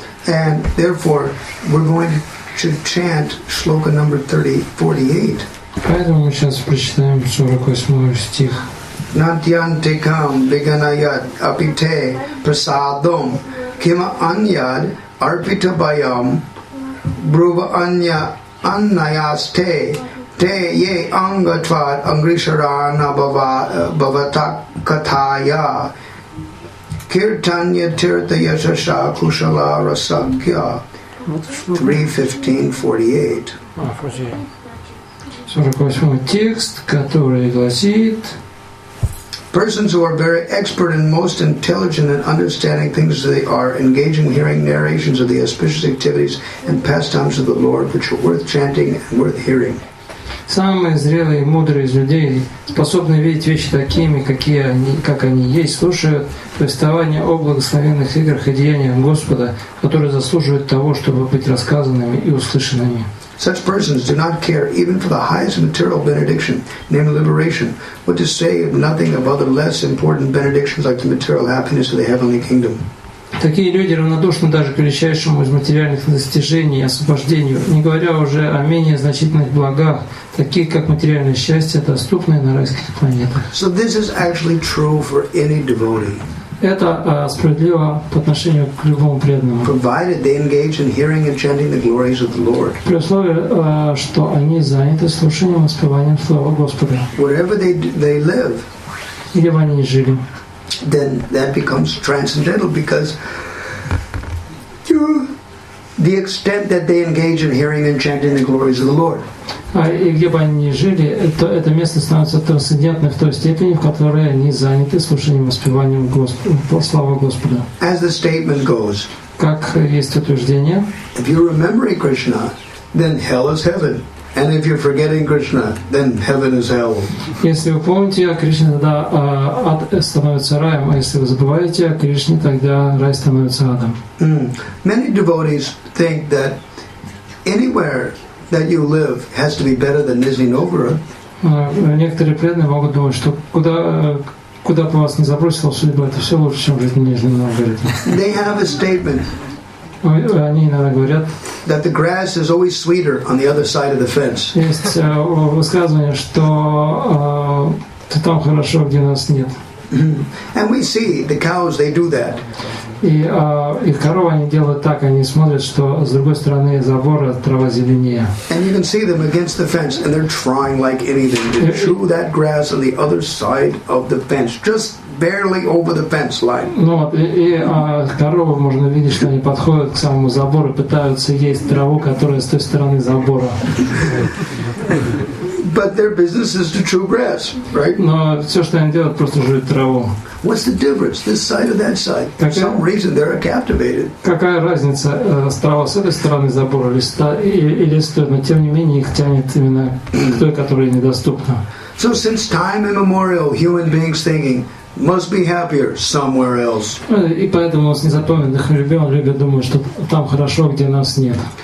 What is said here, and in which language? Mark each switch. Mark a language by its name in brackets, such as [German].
[English] And therefore, we're going to chant shloka number 48. [Russian] Поэтому мы сейчас прочитаем 48 стих. [Sanskrit] Nantyante kam viganayat apite prasadam kima anyad arpitabayam bruva anya annayaste te ye angatvat angrisharana bhavatakathaya kirtanya tirtha yashasha kushala rasakya. [English] 3:15:48. [Russian] 48 текст, который гласит... [English] Persons who are very expert and most intelligent in understanding things as they are, engage in hearing narrations of the auspicious activities and pastimes of the Lord, which are worth chanting and worth hearing. [Russian] Самые зрелые и мудрые из людей способны видеть вещи такими, какие они, как они есть, слушают повествования о благословенных играх и деяниях Господа, которые заслуживают того, чтобы быть рассказанными и услышанными. [English] Such persons do not care even for the highest material benediction, namely liberation, what to say of nothing of other less important benedictions like the material happiness of the heavenly kingdom. [Russian] Такие люди равнодушны даже к величайшему из материальных достижений и освобождению, не говоря уже о менее значительных благах, таких как материальное счастье, доступное на райских планетах. [English] So this is actually true for any devotee. [Russian] Это справедливо по отношению к любому преданному. [English] Provided they engage in hearing and chanting the glories of the Lord. [Russian] При условии, что они заняты слушанием и воспеванием слова Господа. [English] Wherever they live. [Russian] Где бы они ни жили. [English] Then that becomes transcendental because the extent that they engage in hearing and chanting the glories of the Lord. [Russian] И где бы они ни жили, то это место становится трансцендентным в той степени, в которой они заняты слушанием и воспеванием слова Господа. [English] As the statement goes, [Russian] как есть утверждение, [English] if you're remembering Krishna, then hell is heaven. And if you're forgetting Krishna, then heaven is hell. [Russian] Если вы помните о Кришне, тогда ад становится раем. А если вы забываете о Кришне, тогда рай становится адом. [English] Many devotees think that anywhere that you live has to be better than Nizhinovgorod. [Russian] Некоторые преданные могут думать, что куда бы вас ни забросило судьба, это все лучше, чем жить в Нижнем Новгороде. [English] They have a statement. [Russian] Они иногда говорят, [English] that the grass is always sweeter on the other side of the fence. [Russian] Есть высказывание, что ты там хорошо, где нас нет. [English] And we see the cows, they do that. [Russian] И коровы, они делают так, они смотрят, что с другой стороны забора трава зеленее. [English] And you can see them against the fence, and they're trying like anything to chew that grass on the other side of the fence. Just barely over the fence line. [Russian] Ну вот, и коровы можно видеть, что они подходят к самому забору, пытаются есть траву, которая с той стороны забора. [English] But their business is to chew grass, right? [Russian] Но все, что они делают, просто жуют траву. [English] What's the difference, this side or that side? For some reason, they're captivated. [Russian] Какая разница, трава с этой стороны забора или с той, но тем не менее их тянет именно к той, которая недоступна. [English] So since time immemorial, human beings thinking must be happier somewhere else. [Russian] И поэтому у нас незапамятных времен люди думают, что там хорошо, где нас нет.